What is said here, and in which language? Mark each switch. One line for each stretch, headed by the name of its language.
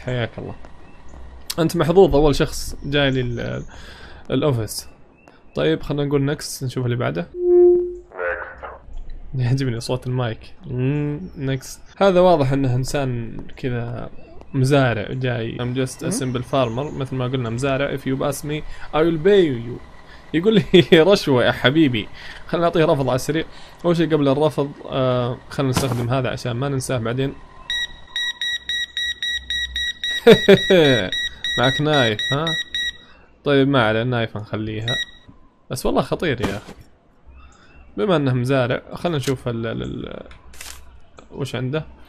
Arabic: حياك الله، انت محظوظ اول شخص جاي لي الاوفيس. طيب خلنا نقول نكس، نشوف اللي بعده. يعجبني صوت المايك. نكس. هذا واضح انه انسان كذا مزارع جاي.
English: I'm just a simple farmer.
Arabic: مثل ما قلنا مزارع.
English: If you pass me I will pay you.
Arabic: يقول لي رشوة يا حبيبي. خلنا نعطيه رفض على السريع. اول شيء قبل الرفض خلنا نستخدم هذا عشان ما ننساه بعدين. معك نايف ها؟ طيب ما عليه، نايف نخليها. بس والله خطير يا اخي، بما انه مزارع خلنا نشوف وش عنده.